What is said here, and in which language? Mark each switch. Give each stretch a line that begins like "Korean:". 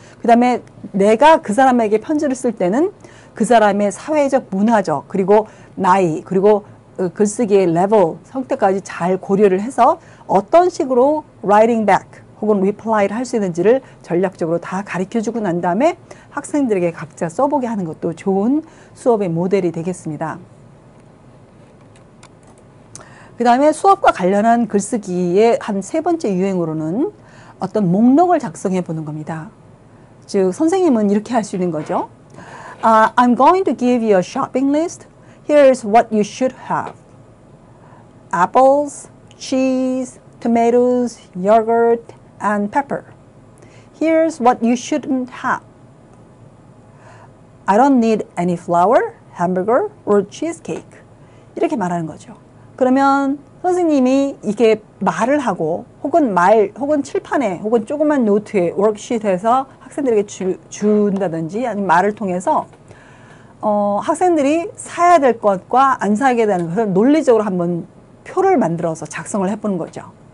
Korean: 그 다음에 내가 그 사람에게 편지를 쓸 때는 그 사람의 사회적, 문화적, 그리고 나이, 그리고 글쓰기의 레벨, 성태까지 잘 고려를 해서 어떤 식으로 writing back 혹은 reply를 할 수 있는지를 전략적으로 다 가르쳐주고 난 다음에 학생들에게 각자 써보게 하는 것도 좋은 수업의 모델이 되겠습니다. 그 다음에 수업과 관련한 글쓰기의 한 세 번째 유행으로는 어떤 목록을 작성해 보는 겁니다. 즉, 선생님은 이렇게 할 수 있는 거죠.
English: I'm going to give you a shopping list. Here's what you should have. Apples, cheese, tomatoes, yogurt, and pepper. Here's what you shouldn't have. I don't need any flour, hamburger, or cheesecake.
Korean: 이렇게 말하는 거죠. 그러면 선생님이 이렇게 말을 하고 혹은 말 혹은 칠판에 혹은 조그만 노트에 워크시트에서 학생들에게 준다든지 아니면 말을 통해서 학생들이 사야 될 것과 안 사게 되는 것을 논리적으로 한번 표를 만들어서 작성을 해보는 거죠.